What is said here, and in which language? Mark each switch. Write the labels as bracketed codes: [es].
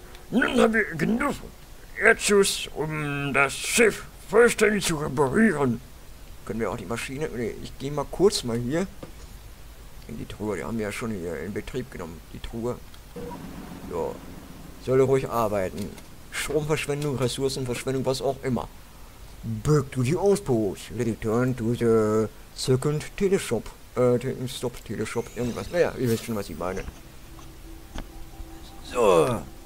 [de] Nun haben wir genug Erdschuss, um das Schiff vollständig zu reparieren. Können wir auch die Maschine... Nee, ich gehe mal kurz mal hier in die Truhe. Die haben wir ja schon hier in Betrieb genommen. Die Truhe. Ja. Soll ruhig arbeiten. Stromverschwendung, Ressourcenverschwendung, was auch immer. [en] Back to the Outpost. Return to the second Teleshop. Stop Teleshop, [de] irgendwas. Naja, ihr wisst schon, was ich meine. So.